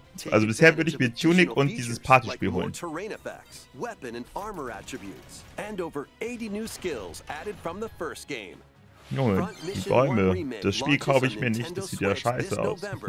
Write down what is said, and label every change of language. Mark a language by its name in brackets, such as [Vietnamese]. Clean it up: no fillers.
[German] Also bisher würde ich mir Tunic und dieses Partyspiel holen. [English] Terrain effects, weapon and armor attributes, and over 80 new skills added from the first game. [German] Junge, die Bäume. Das Spiel kaufe ich mir nicht, das sieht ja scheiße aus.